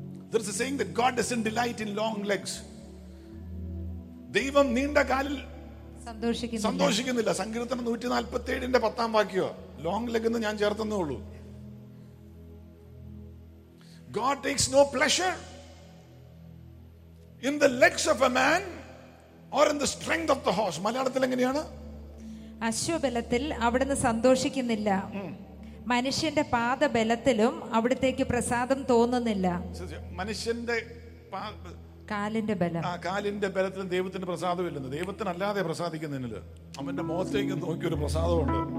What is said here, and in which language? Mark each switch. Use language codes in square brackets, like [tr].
[en] There is a saying that God doesn't delight in long legs. [ml] ദൈവം നീണ്ട കാലിൽ സന്തോഷിക്കുന്നില്ല. സങ്കീർത്തനം 147 പത്താം വാക്യോ ലോങ് ലെഗ് എന്ന് ഞാൻ ചേർത്തെന്നുള്ളൂ. [en] God takes no pleasure in the legs of a man or in the strength of the horse. [ml] മലയാളത്തിൽ എങ്ങനെയാണ്? അശ്വബലത്തിൽ അവിടുന്ന് സന്തോഷിക്കുന്നില്ല, മനുഷ്യന്റെ പാദബലത്തിലും അവിടത്തേക്ക് പ്രസാദം തോന്നുന്നില്ല. മനുഷ്യന്റെ കാലിന്റെ ബലം, കാലിന്റെ ബലത്തിലും ദൈവത്തിന്റെ പ്രസാദം ഇല്ലെന്ന്. ദൈവത്തിനല്ലാതെ പ്രസാദിക്കുന്നില്ല, അവന്റെ മോത്തേക്ക് നോക്കി ഒരു പ്രസാദമുണ്ട്.